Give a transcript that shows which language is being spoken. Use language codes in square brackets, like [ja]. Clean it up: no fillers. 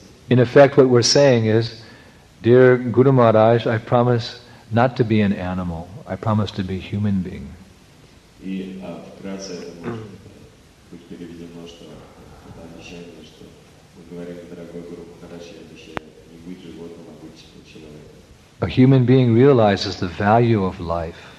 [en] In effect, what we're saying is, dear Guru Maharaj, I promise not to be an animal. I promise to be a human being. [ru] И вкратце это будет переведено, что это обещание, что мы говорим, дорогой Гуру Махарадж, я обещаю, не быть животным, а быть человеком. [en] A human being realizes the value of life.